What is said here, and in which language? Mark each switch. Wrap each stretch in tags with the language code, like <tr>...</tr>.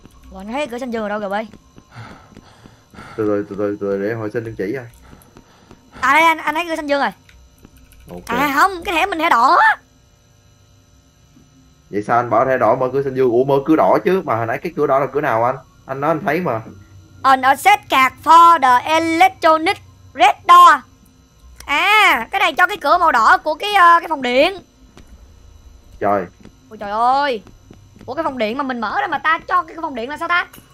<vi>Ủa anh thấy cửa xanh dương ở đâu rồi bây? Từ từ, để hồi xin đừng chỉ ra. À đây anh thấy cửa xanh dương rồi. Okay. À không, cái thẻ mình thẻ đỏ á. Vậy sao anh bảo thẻ đỏ mở cửa xanh dương? Ủa mở cửa đỏ chứ, mà hồi nãy cái cửa đỏ là cửa nào anh? Anh nói anh thấy mà.</vi> <en>On a set card for the electronic red door.</en> <vi>À, cái này cho cái cửa màu đỏ của cái phòng điện. Trời. Ôi trời ơi. Ủa cái phòng điện mà mình mở ra mà ta cho cái phòng điện là sao ta?</vi>